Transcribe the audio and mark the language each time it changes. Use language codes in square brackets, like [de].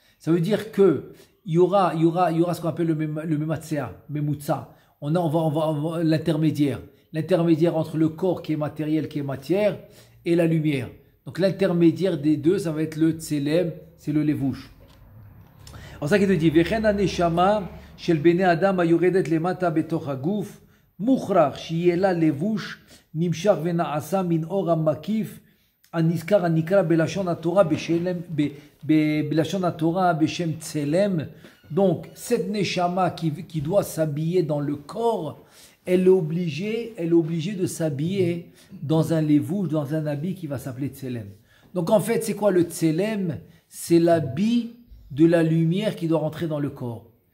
[fr] Ça veut dire que Il y aura ce qu'on appelle le mematsea, memutsa. On va l'intermédiaire. L'intermédiaire entre le corps qui est matériel, qui est matière, et la lumière. Donc l'intermédiaire des deux, ça va être le tselem, c'est le levouche. En ça qu'il te dit, [he] Vechen aneshama, של בני אדם היורדת למטה בתוך הגוף, מוכרח שיהיה לה לבוש נמשך ונעשה מן אור המקיף, הנזכר הנקרא בלשון התורה בשלם, בלשון התורה בשם צלם. [fr] Donc, cette neshama qui doit s'habiller dans le corps, elle est obligée de s'habiller dans un levouche, dans un habit qui va s'appeler tselem. Donc, en fait, c'est quoi le tselem? C'est l'habit de la lumière qui doit rentrer dans le corps.